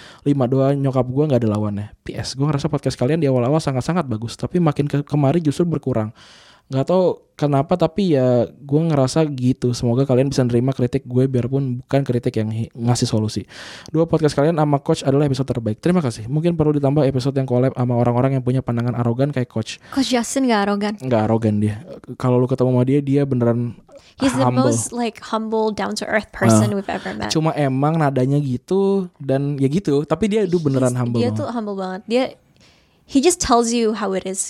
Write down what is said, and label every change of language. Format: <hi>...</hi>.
<id>5, doa nyokap gue gak ada lawannya. PS, gue ngerasa podcast kalian di awal-awal sangat-sangat bagus, tapi makin kemari justru berkurang. Gak tau kenapa, tapi ya gue ngerasa gitu. Semoga kalian bisa nerima kritik gue biarpun bukan kritik yang ngasih solusi. 2, podcast kalian sama coach adalah episode terbaik. Terima kasih. Mungkin perlu ditambah episode yang collab sama orang-orang yang punya pandangan arogan kayak coach. Coach Justin gak arogan. Gak arogan dia. Kalau lu ketemu sama dia, dia beneran</id> <en>he's humble. The most like humble down to earth person we've ever met.</en> <id>Cuma emang nadanya gitu dan ya gitu. Tapi dia itu beneran humble. Dia tuh humble banget. Dia</id> <en>he just tells you how it is.</en>